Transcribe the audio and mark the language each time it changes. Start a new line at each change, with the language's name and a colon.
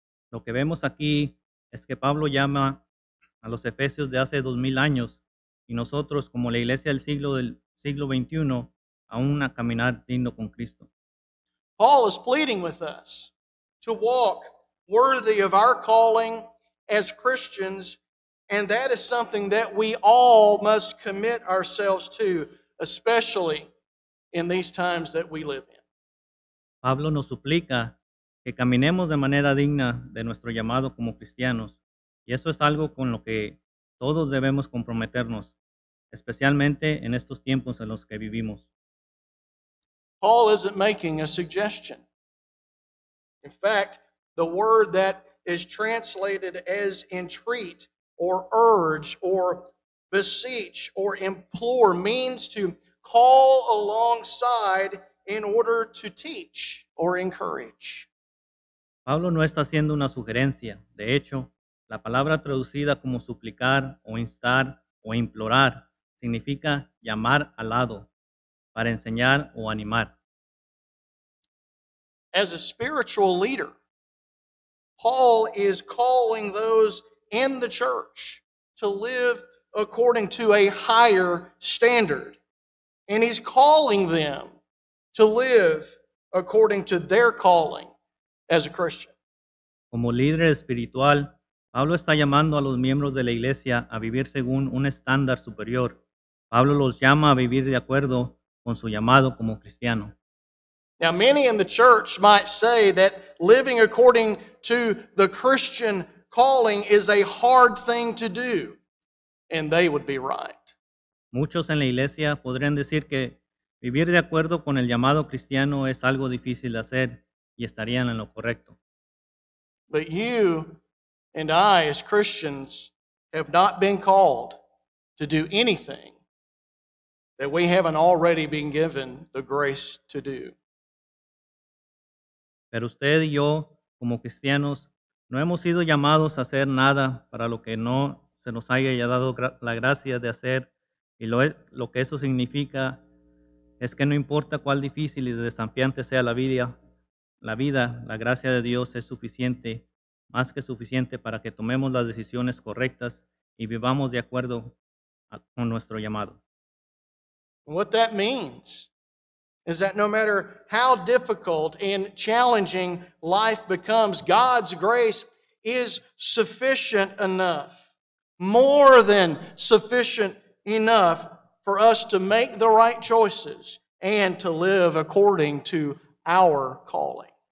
Spanish: Lo que vemos aquí es que Pablo llama a los Efesios de hace 2,000 años y nosotros como la iglesia del siglo 21 aún a caminar digno con Cristo.
English: Paul is pleading with us to walk worthy of our calling as Christians, and that is something that we all must commit ourselves to, especially in these times that we live in.
Spanish: Pablo nos suplica que caminemos de manera digna de nuestro llamado como cristianos, y eso es algo con lo que todos debemos comprometernos, especialmente en estos tiempos en los que vivimos.
English: Paul isn't making a suggestion. In fact, the word that is translated as entreat or urge or beseech or implore means to call alongside in order to teach or encourage.
Spanish: Pablo no está haciendo una sugerencia. De hecho, la palabra traducida como suplicar o instar o implorar significa llamar al lado para enseñar o animar.
English: As a spiritual leader, Paul is calling those in the church to live according to a higher standard. And he's calling them to live according to their calling as a Christian.
Spanish: Como líder espiritual, Pablo está llamando a los miembros de la iglesia a vivir según un estándar superior. Pablo los llama a vivir de acuerdo con su llamado como cristiano.
English: Now, many in the church might say that living according to the Christian calling is a hard thing to do, and they would be right.
Spanish: Muchos en la iglesia podrían decir que vivir de acuerdo con el llamado cristiano es algo difícil de hacer, y estarían en lo correcto.
English: But you and I, as Christians, have not been called to do anything that we haven't already been given the grace to do.
Spanish: Pero usted y yo, como cristianos, no hemos sido llamados a hacer nada para lo que no se nos haya ya dado la gracia de hacer. Y lo que eso significa es que no importa cuál difícil y desafiante sea la vida, la gracia de Dios es suficiente, más que suficiente para que tomemos las decisiones correctas y vivamos de acuerdo con nuestro llamado.
English: What that means is that no matter how difficult and challenging life becomes, God's grace is sufficient enough, more than sufficient enough for us to make the right choices and to live according to our calling.